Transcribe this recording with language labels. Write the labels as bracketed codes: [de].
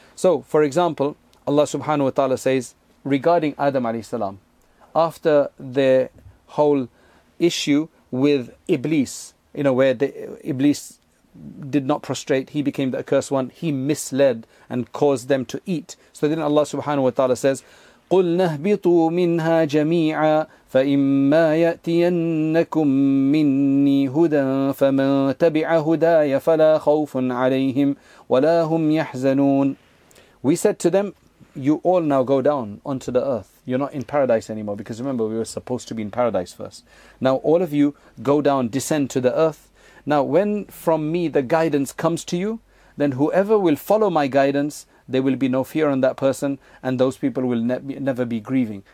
[en] So for example, Allah subhanahu wa ta'ala says regarding Adam alayhi salam, after their whole issue with Iblis, you know, where the Iblis did not prostrate, he became the accursed one, he misled and caused them to eat. [ar] So then Allah subhanahu wa ta'ala says, قُلْنَا اهْبِطُوا مِنْهَا جَمِيعًا فَإِمَّا يَأْتِيَنَّكُمْ مِنِّي هُدًى فَمَنْ تَبِعَ هُدَايَ فَلَا خَوْفٌ عَلَيْهِمْ وَلَا هُمْ يَحْزَنُونَ. [en] We said to them, you all now go down onto the earth. You're not in paradise anymore, because remember, we were supposed to be in paradise first. Now all of you go down, descend to the earth. Now when from me the guidance comes to you, then whoever will follow my guidance, there will be no fear on that person, and those people will never be grieving.